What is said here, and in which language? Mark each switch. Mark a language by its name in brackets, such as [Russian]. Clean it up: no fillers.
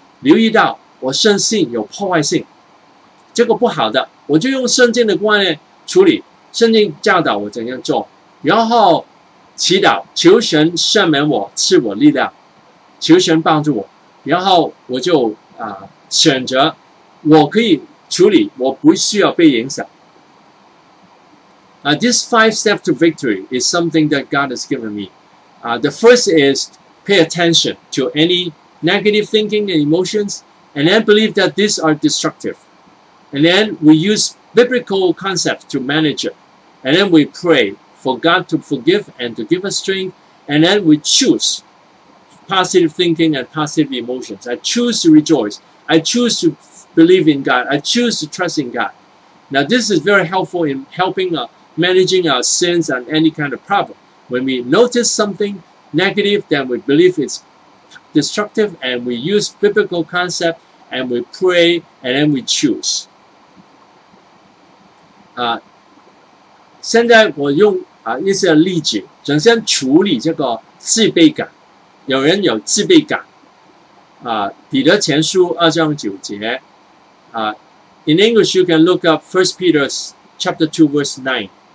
[Chinese] 留意到我深信有破坏性，这个不好的，我就用圣经的观念处理，圣经教导我怎样做，然后祈祷，求神赦免我，赐我力量，求神帮助我，然后我就选择我可以处理，我不需要被影响。 [English] This five steps to victory is something that God has given me. The first is pay attention to any negative thinking and emotions, and then believe that these are destructive. And then we use biblical concepts to manage it. And then we pray for God to forgive and to give us strength. And then we choose positive thinking and positive emotions. I choose to rejoice. I choose to believe in God. I choose to trust in God. Now, this is very helpful in helping managing our sins and any kind of problem. When we notice something negative, then we believe it's destructive, and we use biblical concept, and we pray, and then we choose. [Chinese] 现在我用一些例子，首先处理这个自卑感。有人有自卑感，彼得前书二章九节。 [English] In English, you can look up 1 Peter chapter 2, verse 9.